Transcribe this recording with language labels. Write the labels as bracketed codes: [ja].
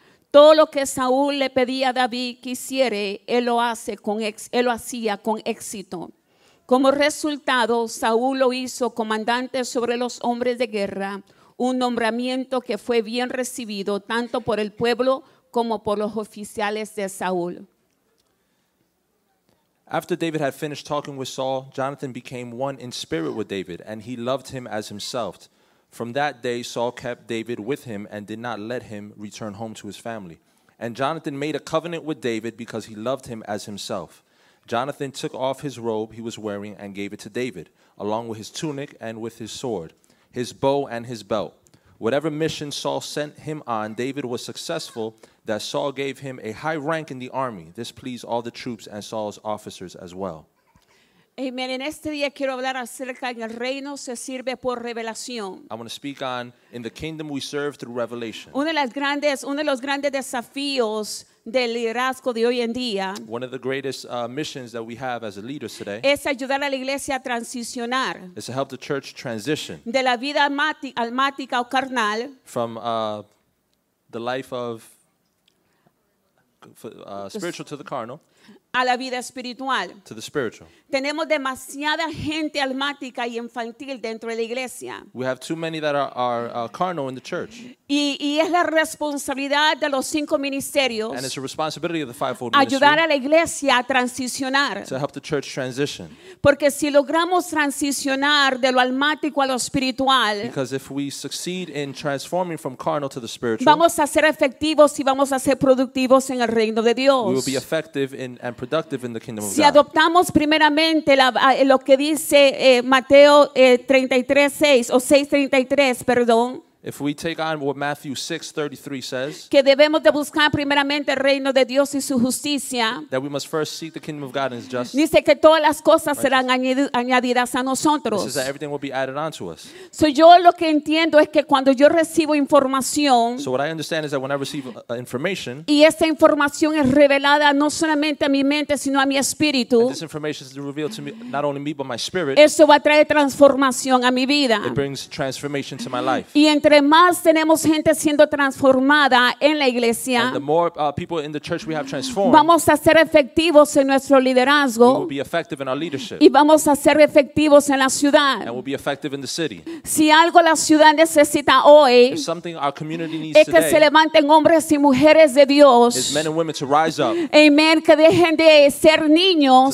[es] Todo lo que Saúl le pedía a David que hiciera, él lo hacía con éxito. Como resultado, Saúl lo hizo comandante sobre los hombres de guerra, un nombramiento que fue bien recibido tanto por el pueblo como por los oficiales de Saúl. [en] After David had finished talking with Saul, Jonathan became one in spirit with David, and he loved him as himself. From that day, Saul kept David with him and did not let him return home to his family. And Jonathan made a covenant with David because he loved him as himself. Jonathan took off his robe he was wearing and gave it to David, along with his tunic and with his sword, his bow and his belt. Whatever mission Saul sent him on, David was successful that Saul gave him a high rank in the army. This pleased all the troops and Saul's officers as well. Amen. [es] En este día quiero hablar acerca en el reino se sirve por revelación. [en] I want to speak on in the kingdom we serve through revelation. [es] Uno de los grandes desafíos del liderazgo de hoy en día, [en] one of the greatest missions that we have as leaders today, [es] es ayudar a la iglesia a transicionar, [en] is to help the church transition, [es] de la vida almática o carnal, [en] from the life of spiritual to the carnal, [es] a la vida espiritual. [en] To the spiritual. [es] Tenemos demasiada gente almática y infantil dentro de la iglesia. [en] We have too many that are carnal in the church. [es] Y es la responsabilidad de los cinco ministerios. [en] And it's a responsibility of the fivefold ministry. [es] Ayudar a la iglesia a transicionar. [en] To help the church transition. [es] Porque si logramos transicionar de lo almático a lo espiritual, [en] because if we succeed in transforming from carnal to the spiritual, [es] vamos a ser efectivos y vamos a ser productivos en el reino de Dios. [en] We will be effective in and productive in the kingdom of [es] God. Si adoptamos primeramente lo que dice Mateo 6:33, [en] if we take on what Matthew 6:33 says, [es] que debemos de buscar primeramente el reino de Dios y su justicia, [en] that we must first seek the kingdom of God and his justice, [es] dice que todas las cosas serán añadidas a nosotros. [en] It says that everything will be added onto us. [es] So yo lo que entiendo es que cuando yo recibo información, [en] so what I understand is that when I receive information, [es] y esta información es revelada no solamente a mi mente sino a mi espíritu, [en] and this information is revealed to me, not only me but my spirit, [es] eso va a traer transformación a mi vida. [en] It brings transformation to my life. [es] Entre más tenemos gente siendo transformada en la iglesia, [en] and the more people in the church we have transformed, [es] vamos a ser efectivos en nuestro liderazgo, [en] we will be effective in our leadership, [es] y vamos a ser efectivos en la ciudad, [en] and we'll be effective in the city. [es] Si algo la ciudad necesita hoy, [en] if something our community needs [es] es que [en] today, [es] se levanten hombres y mujeres de Dios, [en] is men and women to rise up, [es] amen, que dejen de ser niños,